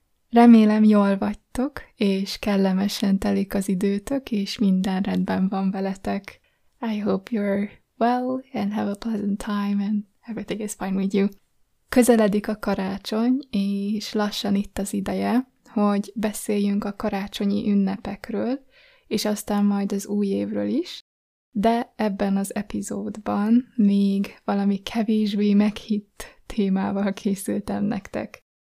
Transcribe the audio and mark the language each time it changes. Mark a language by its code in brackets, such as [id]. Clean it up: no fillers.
[hu] Remélem, jól vagytok, és kellemesen telik az időtök, és minden rendben van veletek. [en] I hope you're well and have a pleasant time and everything is fine with you. [hu] Közeledik a karácsony, és lassan itt az ideje, hogy beszéljünk a karácsonyi ünnepekről, és aztán majd az új évről is, de ebben az epizódban még valami kevésbé meghitt témával készültem nektek.